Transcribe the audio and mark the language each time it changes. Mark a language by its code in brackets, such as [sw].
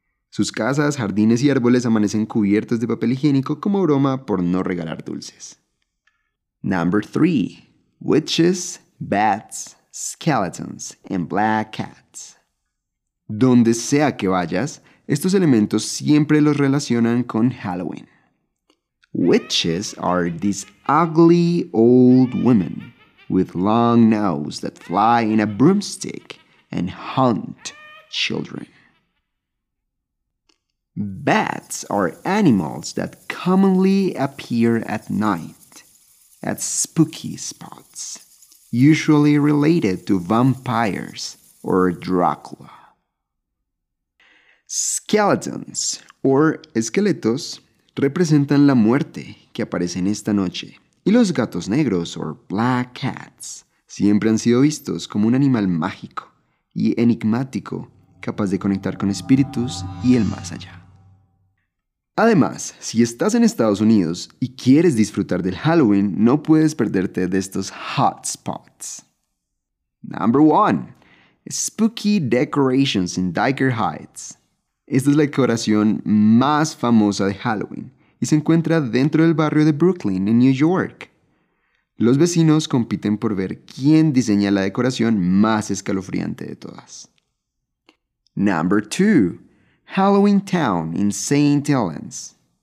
[es] Sus casas, jardines y árboles amanecen cubiertos de papel higiénico como broma por no regalar dulces. [en] Number 3. Witches, bats, skeletons, and black cats. [es] Donde sea que vayas, estos elementos siempre los relacionan con Halloween. [en] Witches are these ugly old women with long nose that fly in a broomstick and hunt children. Bats are animals that commonly appear at night at spooky spots, usually related to vampires or Dracula. [es] Skeletons, or esqueletos, representan la muerte que aparece en esta noche. Y los gatos negros, [en] or black cats, [es] siempre han sido vistos como un animal mágico y enigmático, capaz de conectar con espíritus y el más allá. Además, si estás en Estados Unidos y quieres disfrutar del Halloween, no puedes perderte de estos hotspots. [en] Number one, spooky decorations in Diker Heights. [es] Esta es la decoración más famosa de Halloween y se encuentra dentro del barrio de Brooklyn, en New York. Los vecinos compiten por ver quién diseña la decoración más escalofriante de todas. [en] Number two, Halloween Town in St. Helens.